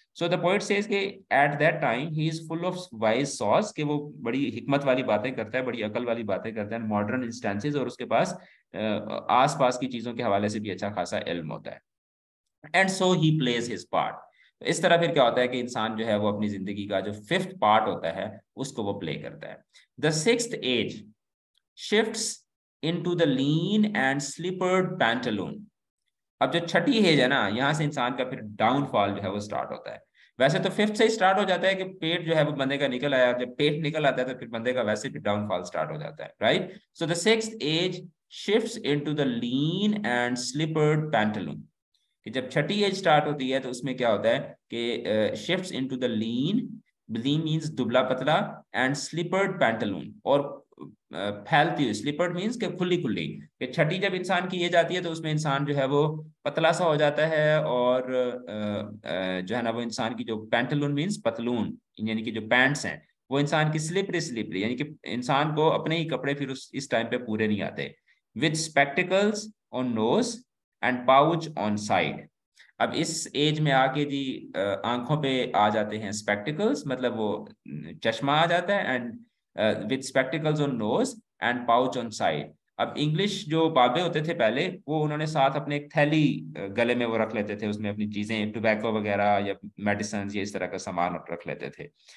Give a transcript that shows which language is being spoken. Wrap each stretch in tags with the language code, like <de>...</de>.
<ur>So the point Cs کہ at that time he is full of wise سوز, کہ وہ بڑی حکمت والی باتیں کرتا ہے, بڑی عقل والی باتیں کرتا ہے, ماڈرن انسٹانسز, اور اس کے پاس آس پاس کی چیزوں کے حوالے سے بھی اچھا خاصا علم ہوتا ہے. And so he please his part. اس طرح پھر کیا ہوتا ہے کہ انسان جو ہے وہ اپنی زندگی کا جو ففتھ پارٹ ہوتا ہے اس کو وہ پلے کرتا ہے. دا six age shifts</ur> <en>into the lean and slippered pantaloon.</en> <ur>اب جو چھٹی ہے نا یہاں سے انسان کا پھر ڈاؤن فال جو ہے وہ اسٹارٹ ہوتا ہے. ویسے تو ففتھ سے ہی اسٹارٹ ہو جاتا ہے کہ پیٹ جو ہے وہ بندے کا نکل آیا, جب پیٹ نکل آتا ہے تو پھر بندے کا ویسے بھی ڈاؤن فال اسٹارٹ ہو جاتا ہے, right?</ur> <en>So the sixth age shifts into the lean and slippered pantaloon.</en> <ur>کہ جب چھٹی ایج اسٹارٹ ہوتی ہے تو اس میں کیا ہوتا ہے کہ shifts into the lean, lean means دبلا پتلا, and slippered pantaloon, اور پھیلتی ہوئی, slippered means کہ کھلی کھلی, کہ چھٹی جب انسان کی ایج آتی ہے تو اس میں انسان جو ہے وہ پتلا سا ہو جاتا ہے, اور جو ہے نا وہ انسان کی جو پینٹلون مینس پتلون یعنی کہ جو پینٹس ہیں وہ انسان کی slippery یعنی کہ انسان کو اپنے ہی کپڑے پھر اس ٹائم پہ پورے نہیں آتے.</ur> <en>With spectacles on nose and pouch on side.</en> <ur>اب اس ایج میں آ کے جی آنکھوں پہ آ جاتے ہیں spectacles, مطلب وہ چشمہ آ جاتا ہے, and with spectacles on nose and pouch on side. اب انگلش جو بابے ہوتے تھے پہلے, وہ انہوں نے ساتھ اپنے ایک تھیلی گلے میں وہ رکھ لیتے تھے, اس میں اپنی چیزیں ٹوبیکو وغیرہ یا میڈیسنز یا اس طرح کا سامان رکھ لیتے تھے.</ur>